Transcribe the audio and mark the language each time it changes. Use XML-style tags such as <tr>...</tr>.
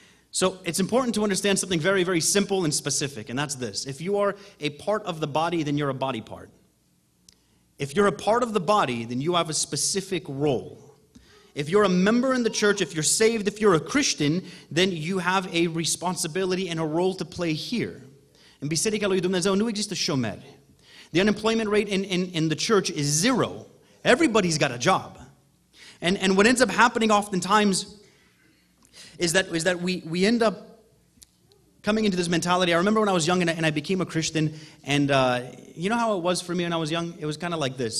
<en>So it's important to understand something very, very simple and specific, and that's this. If you are a part of the body, then you're a body part. If you're a part of the body, then you have a specific role. If you're a member in the church, if you're saved, if you're a Christian, then you have a responsibility and a role to play here.</en> <ro>In Biserica lui Dumnezeu nu există șomeri.</ro> <en>The unemployment rate in the church is zero. Everybody's got a job. And what ends up happening oftentimes is that we end up coming into this mentality. I remember when I was young and I became a Christian, and you know how it was for me when I was young? It was kind of like this.</en>